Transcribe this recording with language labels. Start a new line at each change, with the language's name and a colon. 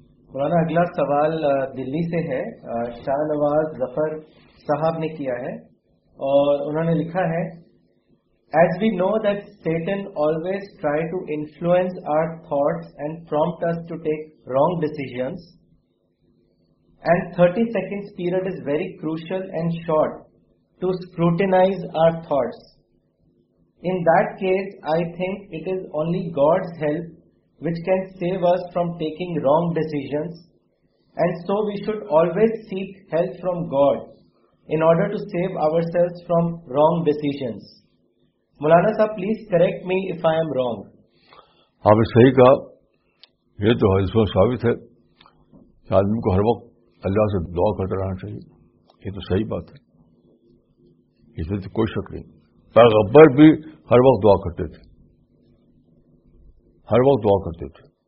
Urdu: مولانا اگلا سوال دلی سے ہے, شاہ نواز ظفر صاحب نے کیا ہے اور انہوں نے لکھا ہے,
English: As we know that Satan always try to influence our thoughts and prompt us to take wrong decisions and 30 seconds period is very crucial and short to scrutinize our thoughts. In that case, I think it is only God's help which can save us from taking wrong decisions, and so we should always seek help from God in order to save ourselves from wrong decisions. Maulana sahab, please correct me if I am wrong.
Urdu: آپ نے صحیح کہا, یہ تو حدیث میں ثابت ہے کہ آدمی کو ہر وقت اللہ سے دعا کرتا رہنا چاہیے. یہ تو صحیح بات ہے, اس میں تو کوئی شک نہیں. پیغمبر بھی ہر وقت دعا کرتے تھے, ہر وقت دعا کرتے تھے.